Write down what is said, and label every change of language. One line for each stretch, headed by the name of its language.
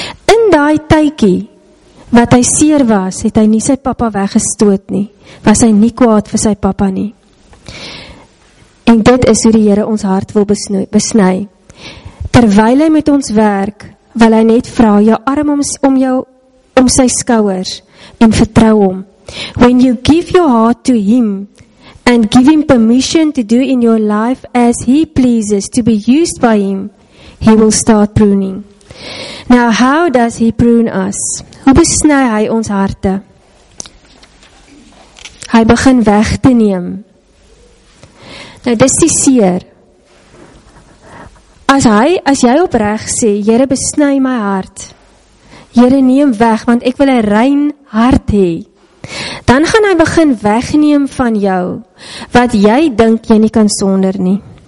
Afrikaans: In daai tydjie wat hy seer was, het hy nie sy papa weggestoot nie. Was hy nie kwaad vir sy papa nie. En dit is hoe die Here ons hart wil besny. Terwyl hy met ons werk, wil hy net vra jou arm om sy skouers en vertrou hom.
English: When you give your heart to him, and give him permission to do in your life as he pleases, to be used by him, he will start pruning. Now, how does he prune us?
Afrikaans: Hoe besny hy ons harte? Hy begin weg te neem Nou, dis die seer. As hy, as jy opreg sê, Here besny my hart, Here neem weg, want ek wil 'n rein hart hê, dan gaan hy begin wegneem van jou, wat jy dink jy nie kan sonder nie.